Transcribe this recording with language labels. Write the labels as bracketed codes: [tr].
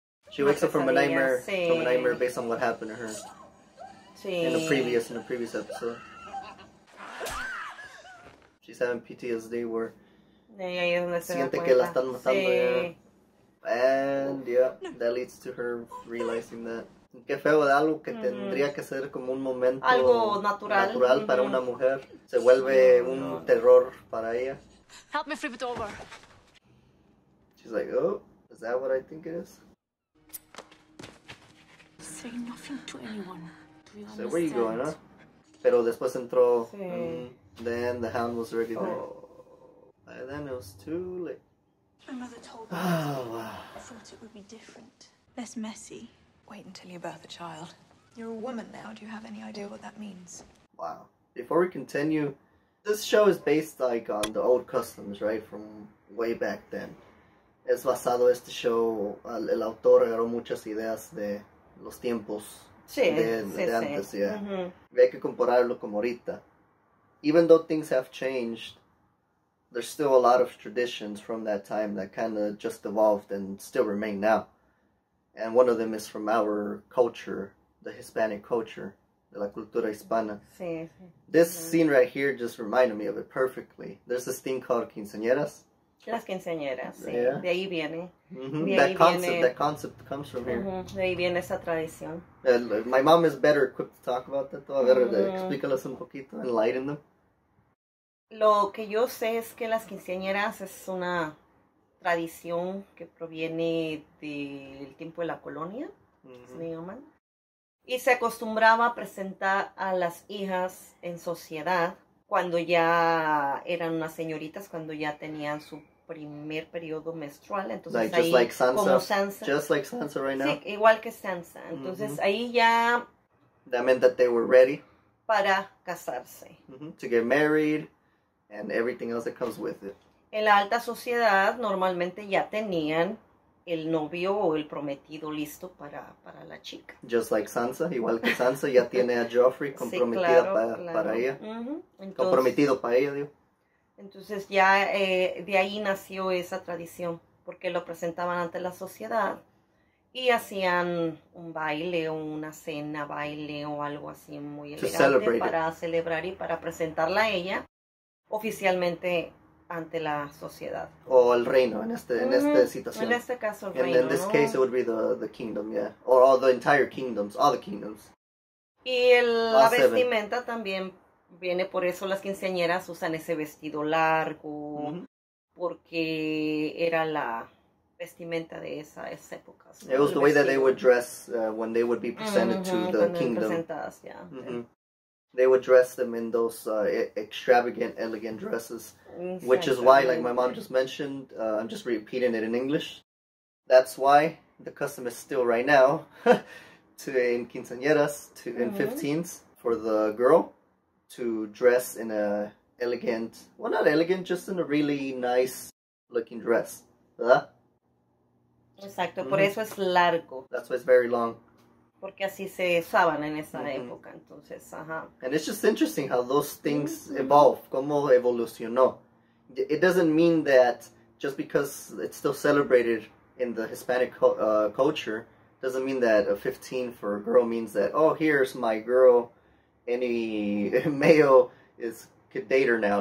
[en] She wakes up from a nightmare, from a nightmare based on what happened to her. [es] Sí. [en] In a previous episode. She's having PTSD where [es] Siente que la están matando ya. [en] And yeah, that leads to her realizing that. [es] Qué feo, de algo que tendría que ser como un momento algo natural mm-hmm. para una mujer se vuelve mm-hmm. un terror para ella. [en] Help me flip it over. She's like, oh, is that what I think it is? Say nothing to anyone. So where are you going, huh? [es] Pero después entró. [en] Then the hound was already there. Oh, and then it was too late. My mother told me. Oh, wow. I thought it would be different. Less messy. Wait until you birth a child. You're a woman now. Do you have any idea what that means? Wow. Before we continue, this show is based like on the old customs, right? From way back then. [es] Es basado este show. El autor agarró muchas ideas de los tiempos. Sí, antes. [en] Yeah. [es] Mm-hmm. Y hay que compararlo como ahorita. [en] Even though things have changed, there's still a lot of traditions from that time that kind of just evolved and still remain now. And one of them is from our culture, the Hispanic culture, [es] de la cultura hispana. Sí. [en] This mm-hmm. scene right here just reminded me of it perfectly. There's this thing called quinceañeras. [es] Las quinceañeras, sí. Yeah. De ahí viene. [en] Mm-hmm. [es] De ahí [en] that concept comes from here. [es] Mm-hmm. De ahí viene esa tradición. [en] My mom is better equipped to talk about that, though. [es] A ver, [en] mm-hmm. [es] explícalas un poquito, [en] enlighten them. [es] Lo que yo sé es que las quinceañeras es una tradición que proviene del tiempo de la colonia. Mm-hmm. Y se acostumbraba a presentar a las hijas en sociedad. Cuando ya eran unas señoritas, cuando ya tenían su primer periodo menstrual, entonces [en] like, [es] ahí, [en] just like Sansa. [es] Como Sansa. [en] Just like Sansa right now. [es] Sí, igual que Sansa. Entonces mm-hmm. ahí ya... [en] That meant that they were ready. [es] Para casarse. Mm-hmm. [en] To get married and everything else that comes with it. [es] En la alta sociedad normalmente ya tenían el novio o el prometido listo para la chica. [en] Just like Sansa, [es] igual que Sansa, ya tiene a Joffrey comprometida para ella. Uh-huh. Entonces, comprometido para ella, digo. Entonces ya de ahí nació esa tradición, porque lo presentaban ante la sociedad y hacían un baile o una cena, baile o algo así muy elegante para celebrar y para presentarla a ella oficialmente ante la sociedad o el reino en esta situación. En este caso el reino, ¿no? [en] In this case it would be the kingdom, yeah. Or all the entire kingdoms, all the kingdoms. [es] Y la vestimenta también viene por eso las quinceañeras usan ese vestido largo mm-hmm. porque era la vestimenta de esa época. ¿No? [en] It was the way that they would dress when they would be presented mm-hmm. to the [es] cuando [en] kingdom. [es] Presentadas, yeah. Mm-hmm. [en] They would dress them in those extravagant, elegant dresses, which is why, like my mom just mentioned, I'm just repeating it in English. That's why the custom is still right now, to in quinceañeras, to in 15s, for the girl to dress in a elegant, well not elegant, just in a really nice looking dress. [es] ¿Verdad? Exacto, mm-hmm. por eso es largo. [en] That's why it's very long. [es] Porque así se usaban en esa mm-hmm. época, entonces, ajá. [en] And it's just interesting how those things mm-hmm. evolve, [es] cómo evolucionó. [en] It doesn't mean that just because it's still celebrated in the Hispanic culture, doesn't mean that a 15 for a girl means that, oh, here's my girl, any male is could date her now.